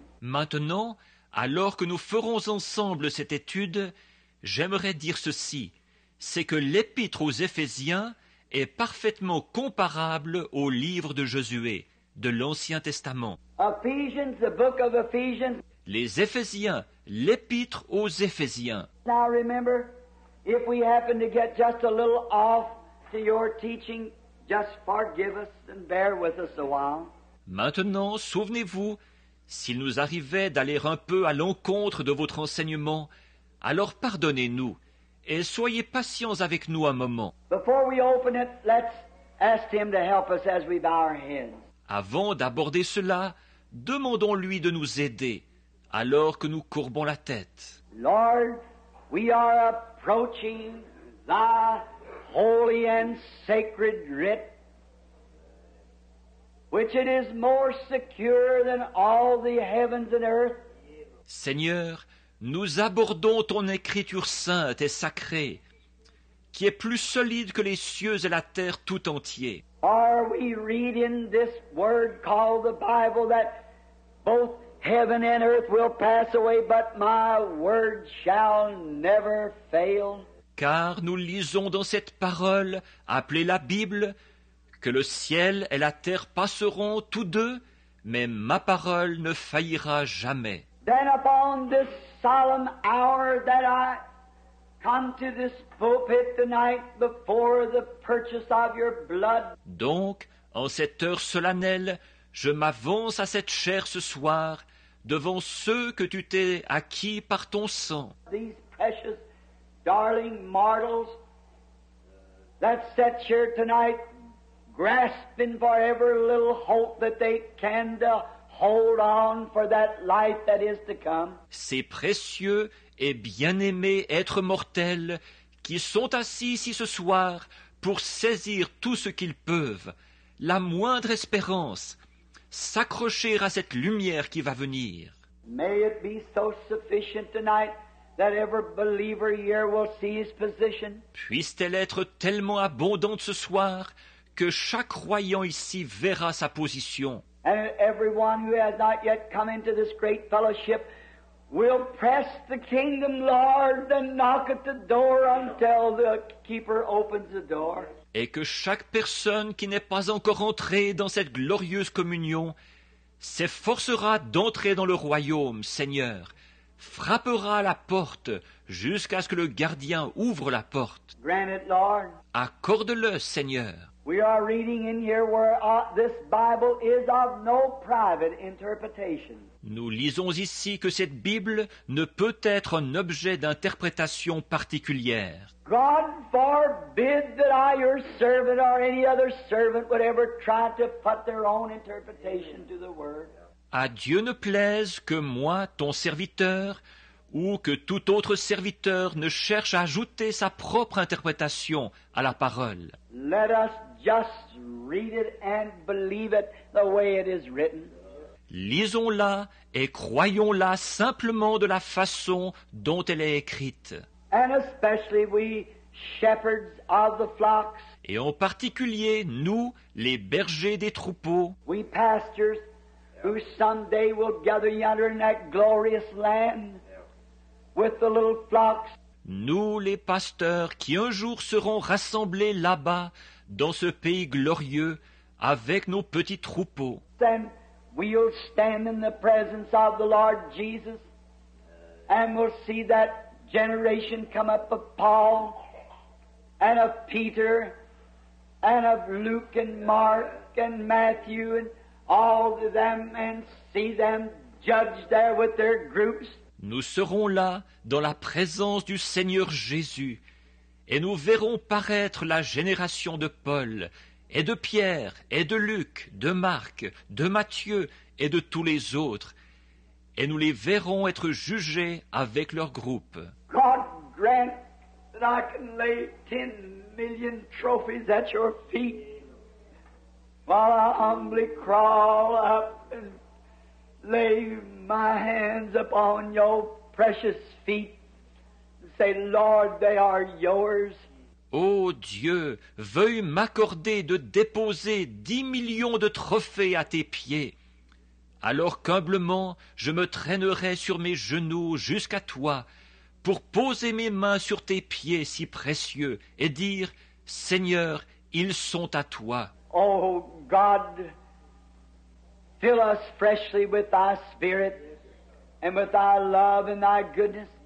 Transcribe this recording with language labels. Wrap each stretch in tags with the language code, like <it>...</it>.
<fr>Maintenant, alors que nous ferons ensemble cette étude, j'aimerais dire ceci, c'est que l'Épître aux Éphésiens est parfaitement comparable au livre de Josué, de l'Ancien Testament.</fr> <en>Ephesians, the book of Ephesians.</en> <fr>Les Éphésiens, l'Épître aux Éphésiens.</fr> <en>Now remember, if we happen to get just a little off to your teaching, just forgive us and bear with us a while.</en> <fr>Maintenant, souvenez-vous, s'il nous arrivait d'aller un peu à l'encontre de votre enseignement, alors pardonnez-nous et soyez patients avec nous un moment.</fr> <en>Before we open it, let's ask him to help us as we bow our heads.</en> <fr>Avant d'aborder cela, demandons-lui de nous aider alors que nous courbons la tête.</fr> <en>Lord, we are approaching thy holy and sacred writ, which it is more secure than all the heavens and earth.</en> <fr>Seigneur, nous abordons ton écriture sainte et sacrée, qui est plus solide que les cieux et la terre tout entier.</fr> <en>Are we reading this word called the Bible that both heaven and earth will pass away, but my word shall never fail?</en> <fr>Car nous lisons dans cette parole, appelée la Bible, que le ciel et la terre passeront tous deux, mais ma parole ne faillira jamais.</fr> <en>Then upon this solemn hour that I come to this pulpit tonight before the purchase of your blood.</en> <fr>Donc, en cette heure solennelle, je m'avance à cette chair ce soir, devant ceux que tu t'es acquis par ton sang.</fr> <en>These precious, darling mortals that sit here tonight, grasping for every little hope that they can to hold on for that life that is to come.</en> <fr>Ces précieux et bien-aimés êtres mortels qui sont assis ici ce soir pour saisir tout ce qu'ils peuvent, la moindre espérance, s'accrocher à cette lumière qui va venir.</fr> <en>May it be so sufficient tonight that every believer here will see his position.</en> <fr>Puisse-t-elle être tellement abondante ce soir que chaque croyant ici verra sa position.</fr> <en>And everyone who has not yet come into this great fellowship will press the kingdom, Lord, and knock at the door until the keeper opens the door.</en> <fr>Et que chaque personne qui n'est pas encore entrée dans cette glorieuse communion s'efforcera d'entrer dans le royaume, Seigneur, frappera à la porte jusqu'à ce que le gardien ouvre la porte.</fr> <en>Grant it, Lord.</en> <fr>Accorde-le, Seigneur.</fr> <en>We are reading in here where this Bible is of no private interpretation.</en> <fr>Nous lisons ici que cette Bible ne peut être un objet d'interprétation particulière.</fr> <en>God forbid that I, your servant, or any other servant, would ever try to put their own interpretation to the Word.</en> <fr>À Dieu ne plaise que moi, ton serviteur, ou que tout autre serviteur ne cherche à ajouter sa propre interprétation à la parole.</fr> <en>Let us just read it and believe it the way it is written.</en> <fr>Lisons-la et croyons-la simplement de la façon dont elle est écrite.</fr> <en>And especially we shepherds of the flocks.</en> <fr>Et en particulier nous, les bergers des troupeaux.</fr> <en>We pastors who someday will gather yonder in that glorious land with the little flocks.</en> <fr>Nous, les pasteurs, qui un jour serons rassemblés là-bas, dans ce pays glorieux, avec nos petits troupeaux.</fr> <en>Then we'll stand in the presence of the Lord Jesus, and we'll see that generation come up of Paul, and of Peter, and of Luke, and Mark, and Matthew, and all of them, and see them judged there with their groups.</en> <fr>Nous serons là dans la présence du Seigneur Jésus et nous verrons paraître la génération de Paul et de Pierre et de Luc, de Marc, de Matthieu et de tous les autres et nous les verrons être jugés avec leur groupe.</fr> <en>God grant that I can lay 10 million trophies at your feet while I humbly crawl up and lay my hands upon your precious feet and say, Lord, they are yours.</en> <fr>Oh Dieu, veuille m'accorder de déposer 10 millions de trophées à tes pieds, alors qu'humblement je me traînerai sur mes genoux jusqu'à toi pour poser mes mains sur tes pieds si précieux et dire, Seigneur, ils sont à toi.</fr> <en>Oh God, fill us freshly with thy spirit and with thy love and thy goodness.</en>